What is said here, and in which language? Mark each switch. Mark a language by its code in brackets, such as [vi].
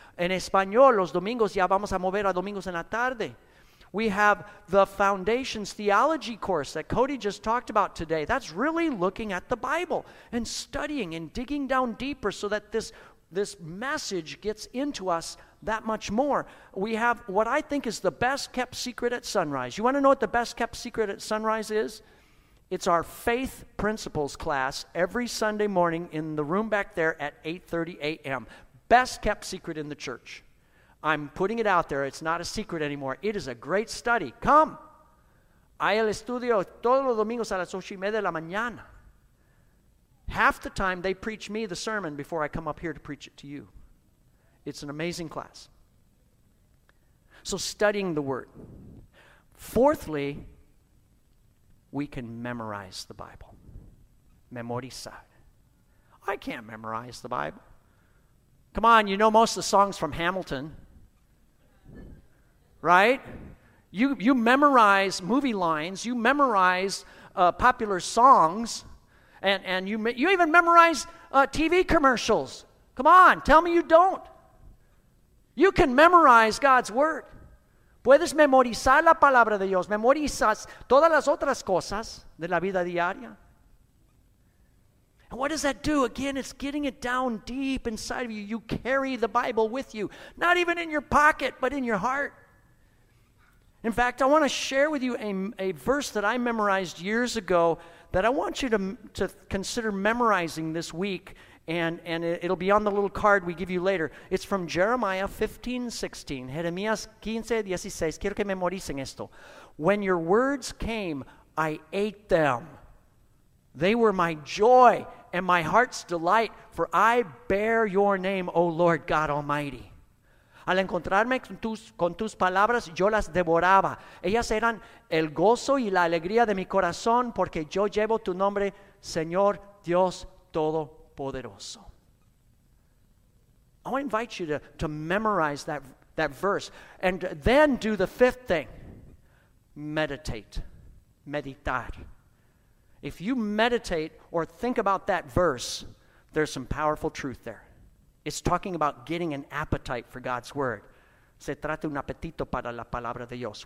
[es] En español, los domingos, ya vamos a mover a domingos en la tarde. [en] We have the Foundations Theology course that Cody just talked about today. That's really looking at the Bible and studying and digging down deeper so that this message gets into us that much more. We have what I think is the best kept secret at Sunrise. You want to know what the best kept secret at Sunrise is? It's our Faith Principles class every Sunday morning in the room back there at 8:30 a.m., best kept secret in the church. I'm putting it out there. It's not a secret anymore. It is a great study. Come. [es] Hay el estudio todos los domingos a las 8:30 de la mañana. [en] Half the time they preach me the sermon before I come up here to preach it to you. It's an amazing class. So studying the Word. Fourthly, we can memorize the Bible. Memorizar. I can't memorize the Bible. Come on, you know most of the songs from Hamilton. Right? You memorize movie lines. You memorize popular songs. And you even memorize TV commercials. Come on, tell me you don't. You can memorize God's Word. [es] Puedes memorizar la palabra de Dios. Memorizas todas las otras cosas de la vida diaria. [en] And what does that do? Again, it's getting it down deep inside of you. You carry the Bible with you. Not even in your pocket, but in your heart. In fact, I want to share with you a verse that I memorized years ago that I want you to consider memorizing this week. And it'll be on the little card we give you later. It's from Jeremiah 15:16. Jeremías 15:16. [es] Quiero que memoricen esto. [en] When your words came, I ate them. They were my joy and my heart's delight, for I bear your name, O Lord God Almighty. [es] Al encontrarme con tus palabras, yo las devoraba. Ellas eran el gozo y la alegría de mi corazón, porque yo llevo tu nombre, Señor Dios Todo. Poderoso. [en] I want to invite you to memorize that verse and then do the fifth thing. Meditate. Meditar. If you meditate or think about that verse, there's some powerful truth there. It's talking about getting an appetite for God's Word. [es] Se trata un apetito para la palabra de Dios.